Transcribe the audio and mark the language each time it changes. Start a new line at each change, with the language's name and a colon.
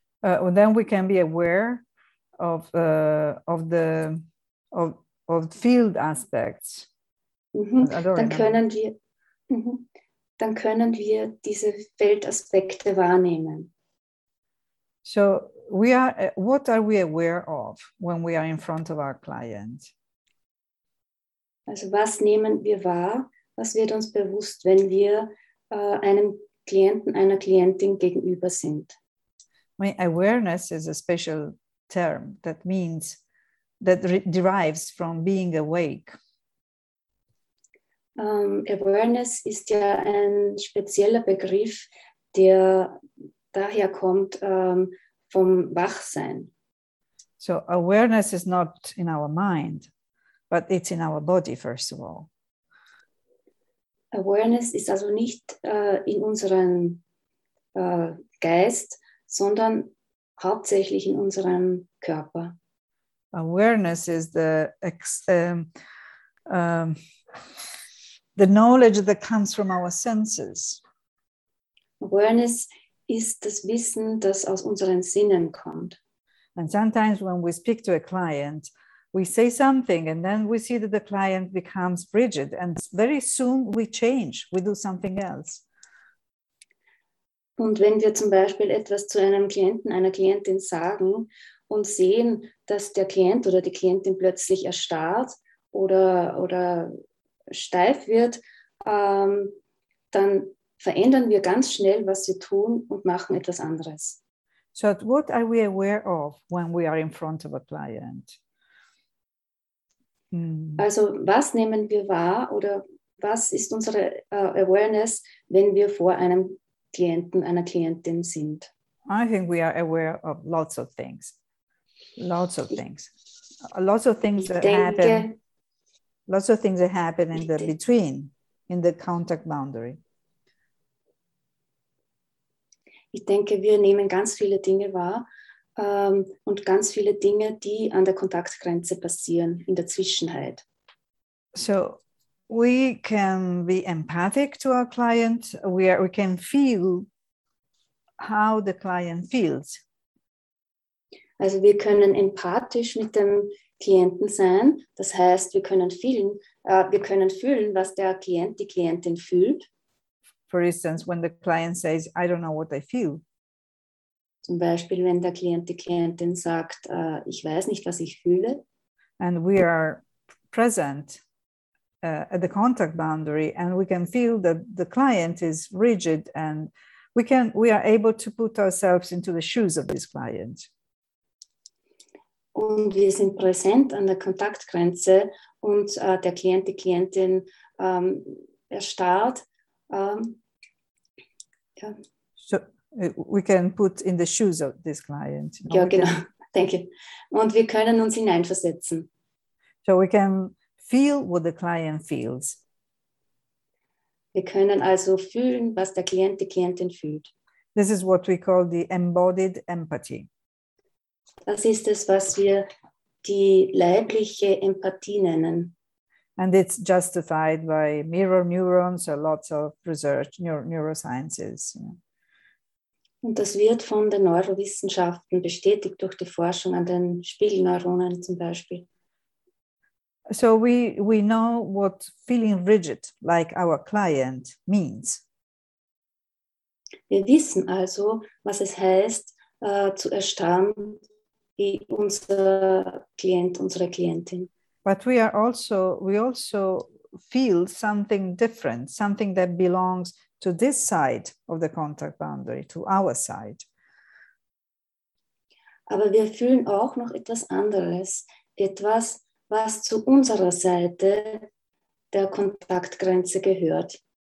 English: Well, then we can be aware of field aspects.
German: Mm-hmm. Dann können wir diese Feldaspekte wahrnehmen.
English: So we are. What are we aware of when we are in front of our client?
German: Also, was nehmen wir wahr? Was wird uns bewusst, wenn wir einem Klienten, einer Klientin gegenüber sind?
English: My awareness is a special term that means that derives from being awake.
German: Awareness ist ja ein spezieller Begriff, der daher kommt vom Wachsein.
English: So awareness is not in our mind, but it's in our body, first of all.
German: Awareness ist also nicht in unserem Geist, sondern hauptsächlich in unserem Körper.
English: Awareness is the knowledge that comes from our senses.
German: Awareness ist das Wissen, das aus unseren Sinnen kommt.
English: And sometimes when we speak to a client, we say something and then we see that the client becomes rigid and very soon we change, we do something else.
German: Und wenn wir zum Beispiel etwas zu einem Klienten, einer Klientin sagen und sehen, dass der Klient oder die Klientin plötzlich erstarrt oder steif wird, dann verändern wir ganz schnell, was wir tun und machen etwas anderes.
English: So what are we aware of when we are in front of a client?
German: Also was nehmen wir wahr oder was ist unsere Awareness, wenn wir vor einem Klienten, einer Klientin sind?
English: I think we are aware of lots of things. Lots of things. Lots of things that happen. Lots of things that happen in the between, in the contact boundary.
German: Ich denke, wir nehmen ganz viele Dinge wahr und ganz viele Dinge, die an der Kontaktgrenze passieren, in der Zwischenheit.
English: So, we can be empathic to our client. We can feel how the client feels.
German: Also wir können empathisch mit dem Klienten sein. Das heißt, wir können fühlen, was der Klient, die Klientin fühlt.
English: For instance, when the client says, I don't know what I feel.
German: Zum Beispiel, wenn der Klient, die Klientin sagt, ich weiß nicht, was ich fühle.
English: And we are present at the contact boundary and we can feel that the client is rigid and we are able to put ourselves into the shoes of this client.
German: Und wir sind präsent an der Kontaktgrenze und der Klient, die Klientin erstarrt.
English: So we can put in the shoes of this client.
German: Ja, genau.
English: thank you.
German: Und wir können uns hineinversetzen.
English: So we can feel what the client feels.
German: Wir können also fühlen, was der Klient, die Klientin fühlt.
English: This is what we call the embodied empathy.
German: Das ist es, was wir die leibliche Empathie nennen.
English: And it's justified by mirror neurons or lots of research, neurosciences.
German: Und das wird von den Neurowissenschaften bestätigt durch die Forschung an den Spiegelneuronen zum Beispiel.
English: So we know what feeling rigid, like our client, means.
German: Wir wissen also, was es heißt, zu erstarren, wie unser Klient, unsere Klientin.
English: But we also feel something different, something that belongs to this side of the contact boundary, to our side.
German: Aber wir fühlen auch noch etwas anderes, etwas, was zu unserer Seite der Kontaktgrenze gehört.